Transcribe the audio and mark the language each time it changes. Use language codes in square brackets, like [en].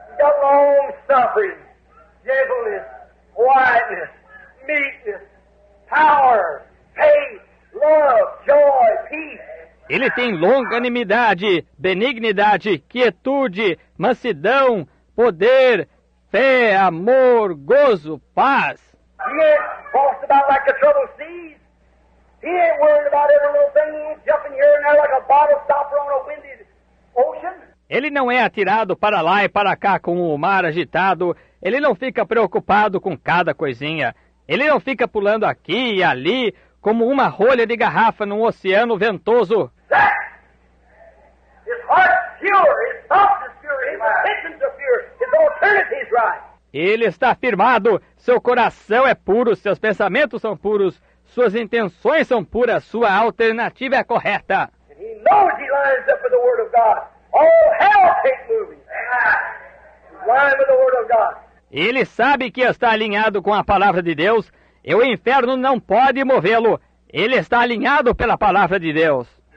[en] The long suffering, gentleness, quietness, meekness, power, faith, love, joy, peace. [pt] Ele tem longanimidade, benignidade, quietude, mansidão, poder, fé, amor, gozo, paz. [en] He ain't tossed about like the troubled seas. He ain't worried about every little thing jumping here and there like a bottle stopper on a windy ocean. [pt] Ele não é atirado para lá e para cá com o mar agitado. Ele não fica preocupado com cada coisinha. Ele não fica pulando aqui e ali como uma rolha de garrafa num oceano ventoso. [en] His heart's pure, his thoughts are pure, his intentions are pure, his alternatives right. [pt] Ele está firmado, seu coração é puro, seus pensamentos são puros, suas intenções são puras, sua alternativa é correta. [en] And he knows he lines up with the word of God. All hell takes moving. Line with the word of God. [pt] Ele sabe que está alinhado com a palavra de Deus. e o inferno não pode movê-lo. Ele está alinhado pela palavra de Deus.